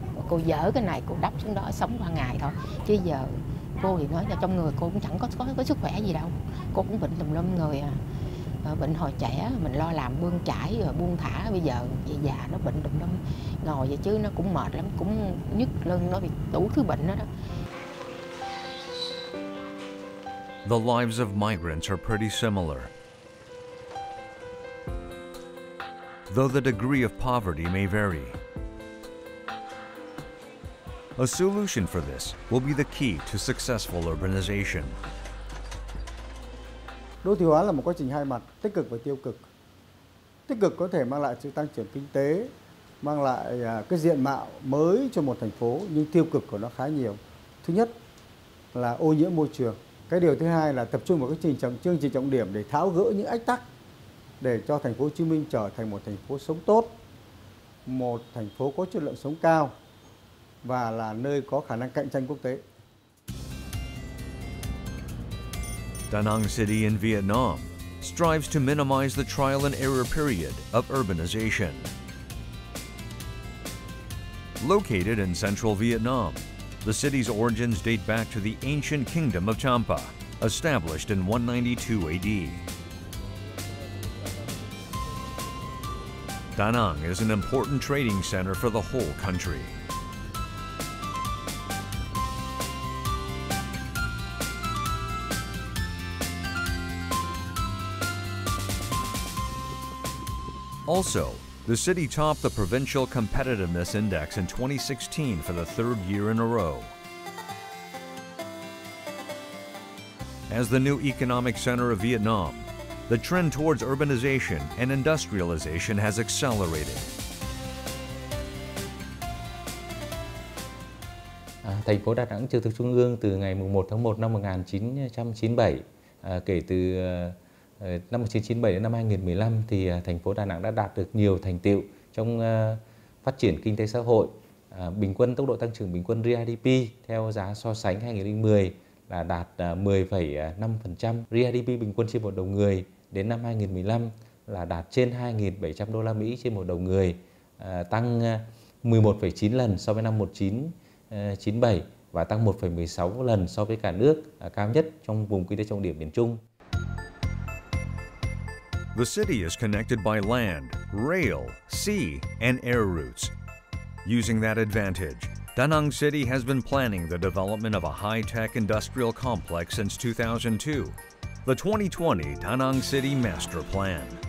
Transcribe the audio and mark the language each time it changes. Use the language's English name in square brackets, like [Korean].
[Vietnamese] Cô dỡ cái này cô đắp xuống đó sống qua ngày thôi. Chứ giờ cô thì nói là trong người cô cũng chẳng có sức khỏe gì đâu. Cô cũng bệnh tùm lum người à. Bệnh hồi trẻ mình lo làm bươn chải rồi buông thả, bây giờ về già nó bệnh đụng đông ngồi vậy chứ nó cũng mệt lắm, cũng nhức lưng, nó bị đủ thứ bệnh đó. [English] The lives of migrants are pretty similar, though the degree of poverty may vary. A solution for this will be the key to successful urbanization. [Vietnamese] Đô thị hóa là một quá trình hai mặt, tích cực và tiêu cực. Tích cực có thể mang lại sự tăng trưởng kinh tế, mang lại cái diện mạo mới cho một thành phố, nhưng tiêu cực của nó khá nhiều. Thứ nhất là ô nhiễm môi trường. Cái điều thứ hai là tập trung vào các chương trình trọng điểm để tháo gỡ những ách tắc để cho thành phố Hồ Chí Minh trở thành một thành phố sống tốt. một thành phố có chất lượng sống cao và là nơi có khả năng cạnh tranh quốc tế. [English] Da Nang City in Vietnam strives to minimize the trial and error period of urbanization. Located in central Vietnam, the city's origins date back to the ancient kingdom of Champa, established in 192 AD. Da Nang is an important trading center for the whole country. Also, the city topped the Provincial Competitiveness Index in 2016 for the third year in a row. As the new economic center of Vietnam, the trend towards urbanization and industrialization has accelerated. [Vietnamese] Thành phố Đà Nẵng trực thuộc Trung ương từ ngày 1 tháng 1 năm 1997, kể từ năm 1997 đến năm 2015 thì thành phố Đà Nẵng đã đạt được nhiều thành tựu trong phát triển kinh tế xã hội. Bình quân tốc độ tăng trưởng bình quân GDP theo giá so sánh 2010 là đạt 10,5%. GDP bình quân trên một đầu người đến năm 2015 là đạt trên 2.700 đô la Mỹ trên một đầu người, tăng 11,9 lần so với năm 1997 và tăng 1,16 lần so với cả nước, cao nhất trong vùng kinh tế trọng điểm miền Trung. [English] The city is connected by land, rail, sea, and air routes. Using that advantage, Da Nang City has been planning the development of a high-tech industrial complex since 2002, the 2020 Da Nang City Master Plan.